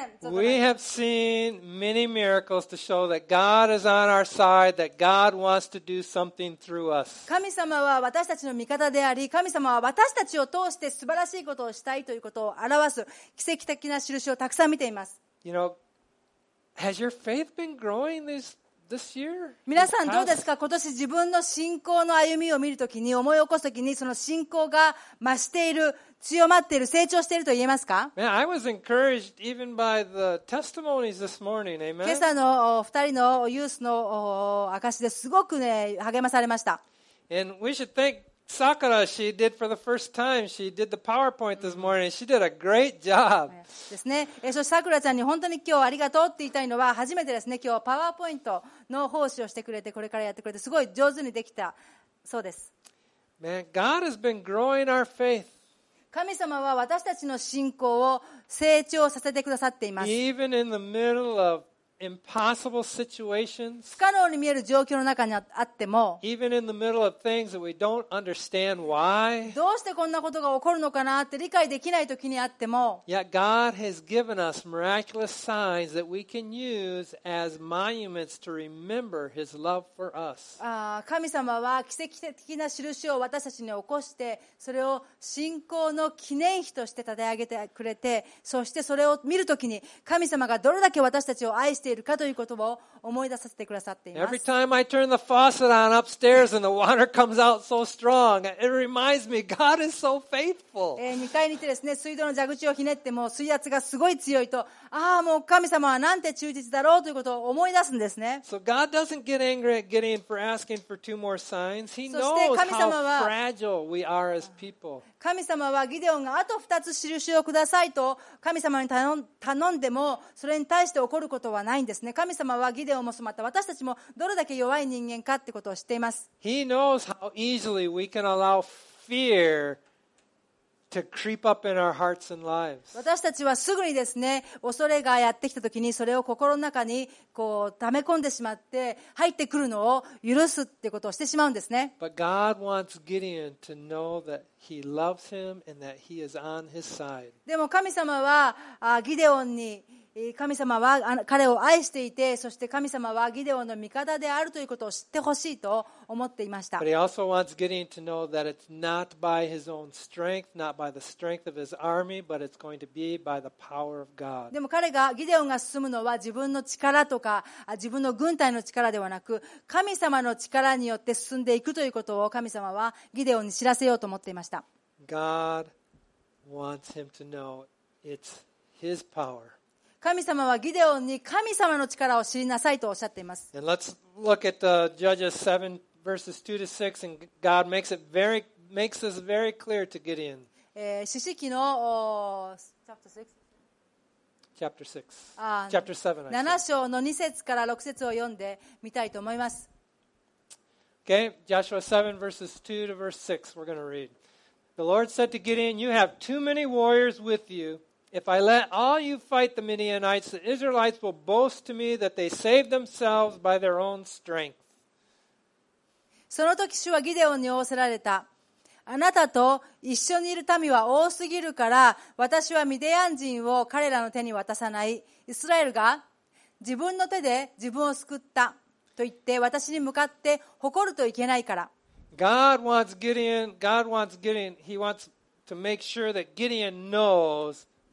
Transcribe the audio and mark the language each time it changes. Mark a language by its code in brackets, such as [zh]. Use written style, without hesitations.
[en] We have seen many miracles to show that God is on our side, that God wants to do something through us. [ja] 神様は私たちの味方であり、神様は私たちを通して素晴らしいことをしたいということを表す奇跡的な印をたくさん見ています。 [en] You know, has your faith been growing this year? [ja] 皆さんどうですか？今年自分の信仰の歩みを見るときに、思い起こすときに、その信仰が増している。強まっている、成長していると言えますか？ [en] Man, I was encouraged even by the testimonies this morning. Amen. [ja] 今朝の2人のユースの証ですごく、ね、励まされました。 [en] And we should thank Sakura. She did for the first time. She did the PowerPoint this morning. She did a great job. [ja] ですね。そして桜ちゃんに本当に今日ありがとうって言いたいのは、初めてですね、今日 PowerPoint の奉仕をしてくれて、これからやってくれて、すごい上手にできたそうです。 [en] Man, God has been growing our faith. [ja] 神様は私たちの信仰を成長させてくださっています。 [en] Even in the middle of impossible situations, [ja] 不可能に見える状況の中にあっても、 [en] Even in the middle of things that we don't understand why, [ja] どうしてこんなことが起こるのかなって理解できない時にあっても、 [en] Yet God has given us miraculous signs that we can use as monuments to remember His love for us. [ja] 神様は奇跡的な印を私たちに起こして、それを信仰の記念碑として立て上げてくれて、そしてそれを見る時に、神様がどれだけ私たちを愛しているかということを思い出させてくださっています。 [en] Every time I turn the faucet on upstairs and the water comes out so strong, it reminds me God is so faithful. [ja] 2階に行ってですね、水道の蛇口をひねっても水圧がすごい強いと、ああもう神様はなんて忠実だろうということを思い出すんですね。 [en] So God doesn't get angry at Gideon for asking for two more signs. He knows how fragile we are as people. [ja] 神様はギデオンがあと2つ印をくださいと神様に頼んでも、それに対して起こることはないんですね。神様はギデオンもまた私たちもどれだけ弱い人間かってことを知っています。 [en] He knows how easily we can allow fear to creep up in our hearts and lives. [ja] 私たちはすぐにですね、恐れがやってきたときにそれを心の中にこう溜め込んでしまって、入ってくるのを許すってことをしてしまうんですね。 [en] But God wants Gideon to know thatHe loves him and that he is on his side. [ja] でも神様はギデオンに、神様は彼を愛していて、そして神様はギデオンの味方であるということを知ってほしいと思っていました。 [en] But he also wants Gideon to know that it's not by his own strength, not by the strength of his army, but it's going to be by the power of God. [ja] でも彼がギデオンが進むのは自分の力とか自分の軍隊の力ではなく、神様の力によって進んでいくということを神様はギデオンに知らせようと思っていました。 [en] God wants him to know it's his power. [ja] 神様はギデオンに神様の力を知りなさいとおっしゃっています。 [en] And let's look at the Judges 7 verses 2 to 6 and God makes this very clear to Gideon. [ja] 出世記の 7 章の2節から6節を読んでみたいと思います。 [en] Okay, Joshua 7 verses 2 to verse 6 we're going to read. The Lord said to Gideon, You have too many warriors with you. If I let all you fight the Midianites, the Israelites will boast to me that they saved themselves by their own strength. [ja] その時主はギデオンに仰せられた。あなたと一緒にいる民は多すぎるから、私はミディアン人を彼らの手に渡さない。イスラエルが自分の手で自分を救ったと言って私に向かって誇るといけないから。 [en] God wants Gideon. He wants to make sure that Gideon knows.